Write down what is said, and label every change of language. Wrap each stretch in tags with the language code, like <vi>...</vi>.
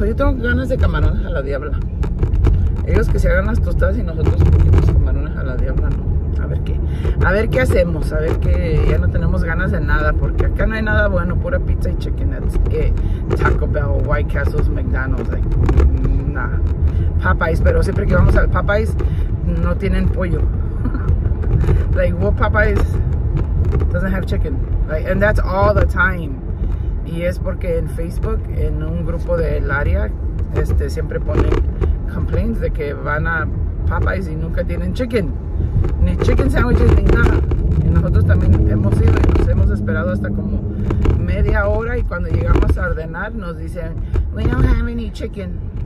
<es>Yo tengo ganas de camarones a la diabla. Ellos que se hagan las tostadas y nosotros poquitos camarones a la diabla, ¿no? A ver qué hacemos, a ver que ya no tenemos ganas de nada, porque acá no hay nada bueno, pura pizza y chickenettes, Taco Bell, White Castles, McDonald's, nah. Popeyes, pero siempre que vamos al Popeyes, no tienen pollo.</es> <en>Like, what Popeyes doesn't have chicken? Like, and that's all the time.</en> <es>Y es porque en Facebook, en un grupo del área, siempre ponen complaints de que van a Popeyes y nunca tienen chicken. Ni chicken sandwiches ni nada. Y nosotros también hemos ido y nos hemos esperado hasta como media hora y cuando llegamos a ordenar nos dicen,</es> <en>we don't have any chicken.</en>